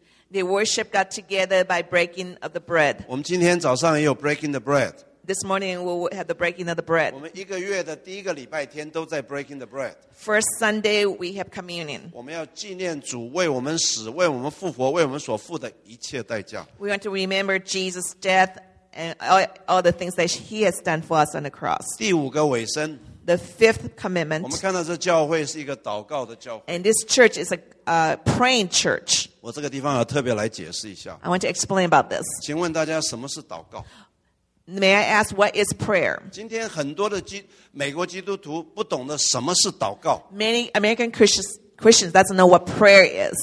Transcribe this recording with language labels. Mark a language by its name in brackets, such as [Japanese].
[English] they worship God together by breaking of the bread. [Chinese] 我们今天早上也有 [English] breaking the bread. This morning we will have the breaking of the bread. [Chinese] 我们一个月的第一个礼拜天都在 [English] breaking the bread. First Sunday we have communion. [Chinese] 我们要纪念主为我们死、为我们复活、为我们所付的一切代价。 [English] We want to remember Jesus' death and all the things that He has done for us on the cross. [Chinese] 第五个委身, [English] the fifth commitment. [Chinese] 我们看到这教会是一个祷告的教会。 [English] And this church is a praying church. I want to explain about this. [Chinese] 请问大家什么是祷告? [English] May I ask what is prayer? [Chinese] 今天很多的美国基督徒不懂得什么是祷告。 [English] Many American Christians doesn't know what prayer is.